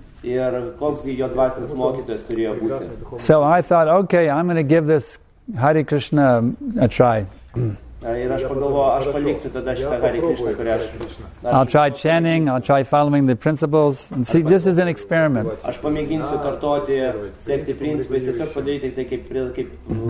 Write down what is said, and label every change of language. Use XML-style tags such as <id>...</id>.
<lt>Ir koks jo dvasinis mokytojas turėjo būti.</lt> <en>So I thought, okay, I'm going to give this Hare Krishna a try.</en> <lt>Ir aš pagalvojau, aš paliksiu tada šitą Hare Krishna, kurią aš...</lt> <en>I'll try chanting, I'll try following the principles, and see, this is an experiment.</en> <lt>Aš pamėginsiu kartoti, sekti principais, tiesiog padaryti tai kaip...</lt>